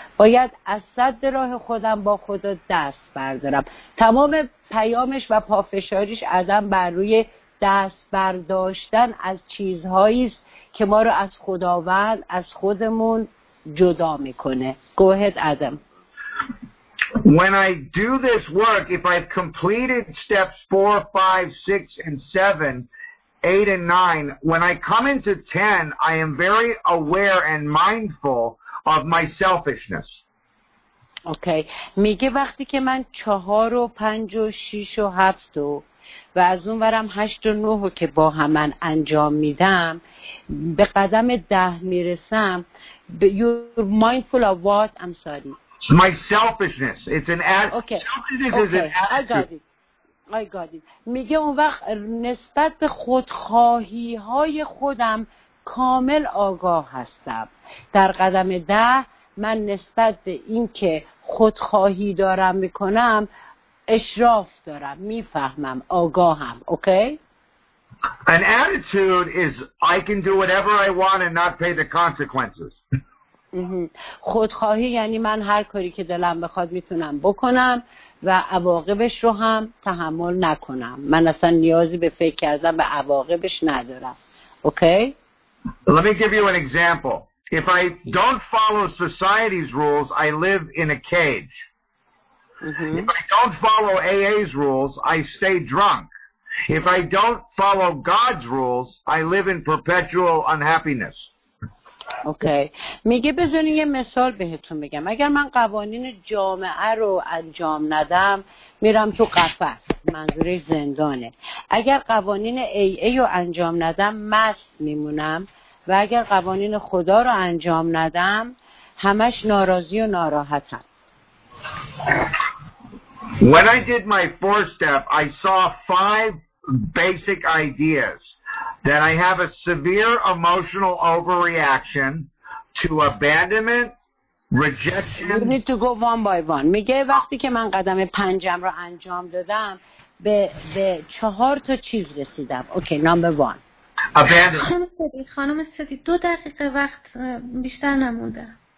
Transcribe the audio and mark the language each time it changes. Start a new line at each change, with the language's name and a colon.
Persian: باید از صد راه خودم با خدا دست بردارم. تمام پیامش و پافشاریش ازم بر روی دست برداشتن از چیزهاییست که ما رو از خداوند، از خودمون جدا میکنه.
English: Go ahead, Adam. When I do this work, if I've completed steps 4, 5, 6, and 7, 8 and 9, when I come into 10, I am very aware and mindful of my selfishness. Okay.
Persian: میگه وقتی که من 4 و 5 و 6 و 7 و از اون ورم 8 و 9 که با هم من انجام میدم به قدم 10 میرسم.
English: You're mindful of what? I'm sorry. My selfishness. It's an attitude. Okay. Selfishness okay. is an attitude. I got it.
Persian: میگه اون وقت نسبت به خودخواهی های خودم کامل آگاه هستم. در قدم 10 من نسبت به این که خودخواهی دارم میکنم اشراف دارم، میفهمم، آگاهم.
English: Okay? An attitude is I can do whatever I want and not pay the consequences.
Persian: خودخواهی یعنی من هر کاری که دلم بخواد میتونم بکنم و عواقبش رو هم تحمل نکنم. من اصلا نیازی به فکر کردن به عواقبش ندارم.
English: Okay? Let me give you an example. If I don't follow society's rules, I live in a cage. If I don't follow AA's rules, I stay drunk. If I don't follow God's rules, I live in perpetual unhappiness.
Persian: اوکی میگه بزنین یه مثال بهتون بگم. اگر من قوانین جامعه رو انجام ندم میرم تو قفس، منظورش زندانه. اگر قوانین AA رو انجام ندم مست میمونم، و اگر قوانین خدا رو انجام ندم همش ناراضی و ناراحتم.
English: When I did my fourth step, I saw five basic ideas. That I have a severe emotional overreaction to abandonment, rejection. You need to go one by one.
Persian: میگه وقتی که من قدم پنجم رو انجام دادم به چهار تا چیز رسیدم.
English: Okay, number one. Abandonment.
Persian: خانم سدی دو دقیقه وقت بیشتر نمونده.